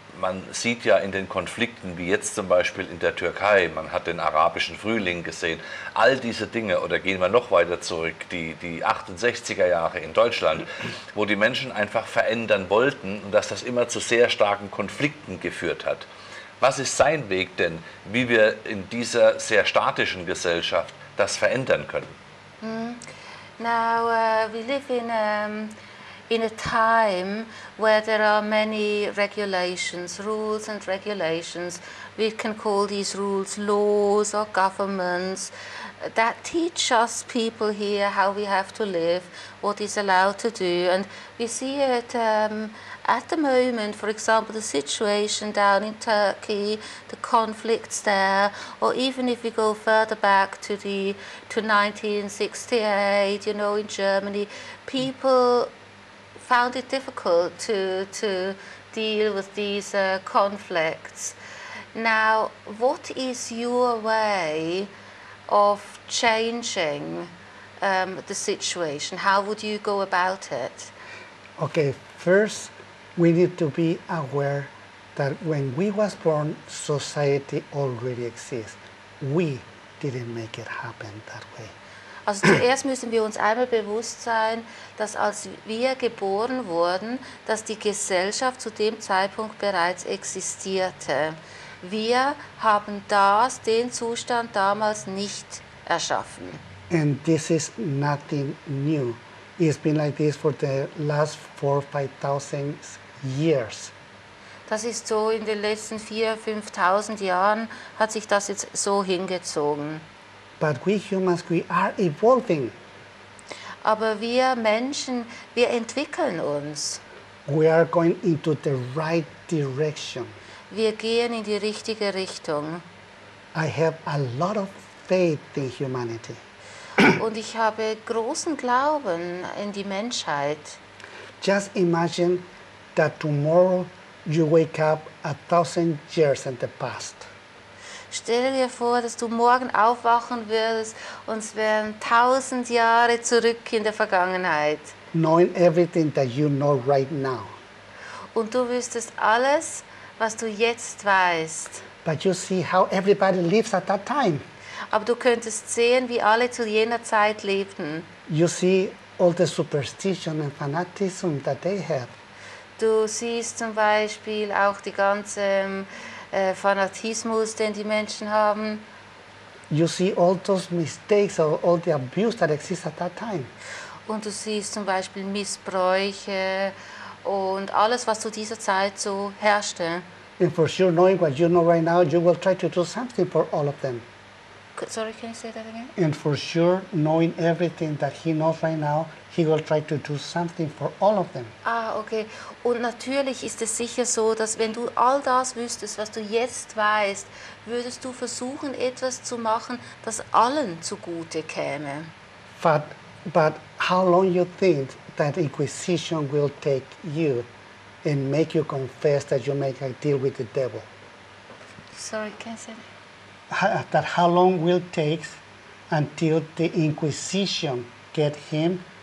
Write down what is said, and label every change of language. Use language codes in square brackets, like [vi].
[de] Man sieht ja in den Konflikten, wie jetzt zum Beispiel in der Türkei, man hat den arabischen Frühling gesehen, all diese Dinge, oder gehen wir noch weiter zurück, die 68er Jahre in Deutschland, wo die Menschen einfach verändern wollten und dass das immer zu sehr starken Konflikten geführt hat. Was ist sein Weg denn, wie wir in dieser sehr statischen Gesellschaft das verändern können? [en] Now, we live in a time where there are many regulations, rules and regulations. We can call these rules laws or governments that teach us people here how we have to live, what is allowed to do. And we see it at the moment, for example, the situation down in Turkey, the conflicts there, or even if we go further back to the to 1968, you know, in Germany, people found it difficult to deal with these conflicts. Now, what is your way of changing the situation? How would you go about it? Okay, first, we need to be aware that when we was born, society already exists. We didn't make it happen that way. [de] Also zuerst müssen wir uns einmal bewusst sein, dass als wir geboren wurden, dass die Gesellschaft zu dem Zeitpunkt bereits existierte. Wir haben das, den Zustand damals nicht erschaffen. [en] And this is nothing new. It's been like this for the last 4,000 or 5,000 years. [de] Das ist so, in den letzten 4,000 [en] or [de] 5,000 Jahren hat sich das jetzt so hingezogen. [en] But we humans, we are evolving. [de] Aber wir Menschen, wir entwickeln uns. [en] We are going into the right direction. [de] Wir gehen in die richtige Richtung. [en] I have a lot of faith in humanity. [de] Und ich habe großen Glauben in die Menschheit. [en] Just imagine that tomorrow you wake up 1,000 years in the past. [de] Stell dir vor, dass du morgen aufwachen wirst und es wären 1,000 Jahre zurück in der Vergangenheit. [en] Knowing everything that you know right now. [de] Und du wüsstest alles, was du jetzt weißt. [en] But you see how everybody lives at that time. [de] Aber du könntest sehen, wie alle zu jener Zeit lebten. [en] You see all the superstition and fanatism that they have. [de] Du siehst zum Beispiel auch die ganze Fanatismus, den die Menschen haben. [en] You see all those mistakes or all the abuse that exists at that time. [de] Und du siehst zum Beispiel Missbräuche und alles, was zu dieser Zeit so herrschte. [en] And for sure, knowing what you know right now, you will try to do something for all of them. Sorry, can you say that again? And for sure, knowing everything that he knows right now, he will try to do something for all of them. Ah, okay. [de] Und natürlich ist es sicher so, dass wenn du all das wüsstest, was du jetzt weißt, würdest du versuchen, etwas zu machen, das allen zugute käme. [en] But how long you think that Inquisition will take you and make you confess that you make a deal with the devil? Sorry, can I say that? That how long will it take until the Inquisition get him